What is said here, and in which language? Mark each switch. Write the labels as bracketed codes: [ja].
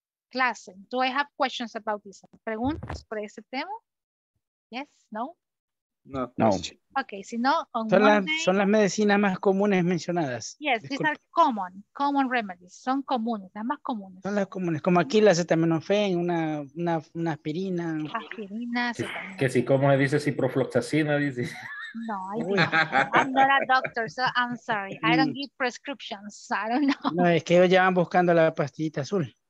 [en] Clase, do I have questions about this? [es] ¿Preguntas por ese tema? [en] Yes, no. [es] No. Okay, si no, son las medicinas más comunes mencionadas. [en] Yes, disculpa. These are common, common remedies. [es] Son comunes, las más comunes. Son las comunes, como aquí la acetaminofén, una aspirina. Aspirina. Que si, ¿cómo se dice? Ciprofloxacina, dice. [en] No, I'm not a doctor, so I'm sorry. I don't give prescriptions, I don't know. [es] No, es que ellos ya van buscando la pastillita azul.